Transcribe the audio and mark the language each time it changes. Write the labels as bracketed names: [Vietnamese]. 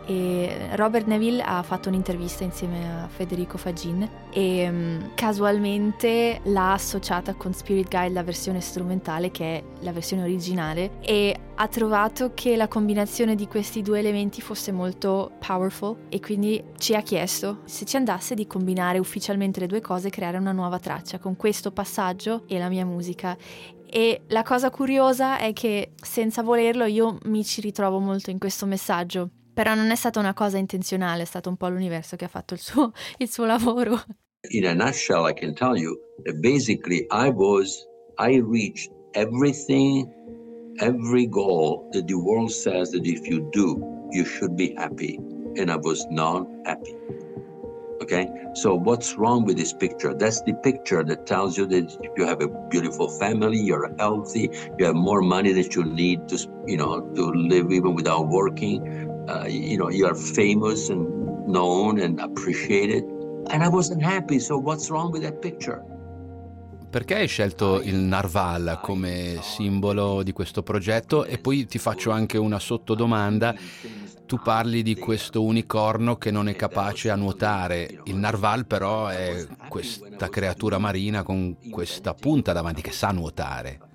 [Italian] E Robert Neville ha fatto un'intervista insieme a Federico Faggin e casualmente l'ha associata con Spirit Guide, la versione strumentale, che è la versione originale, e ha trovato che la combinazione di questi due elementi fosse molto powerful, e quindi ci ha chiesto se ci andasse di combinare ufficialmente le due cose e creare una nuova traccia con questo passaggio e la mia musica. E la cosa curiosa è che, senza volerlo, io mi ci ritrovo molto in questo messaggio. Però non è stata una cosa intenzionale, è stato un po' l'universo che ha fatto il suo lavoro. [English] In a nutshell, I can tell you that basically I reached everything, every goal that the world says that if you do, you should be happy, and I was not happy. Okay? So what's wrong with this picture? That's the picture that tells you that you have a beautiful family, you're healthy, you have more money that you need to, you know, to live even without working. You know, you are famous and known and appreciated, and I wasn't happy, so what's wrong with that picture? [Italian] Perché hai scelto il narval come simbolo di questo progetto? E poi ti faccio anche una sottodomanda. Tu parli di questo unicorno che non è capace a nuotare. Il narval però è questa creatura marina con questa punta davanti che sa nuotare.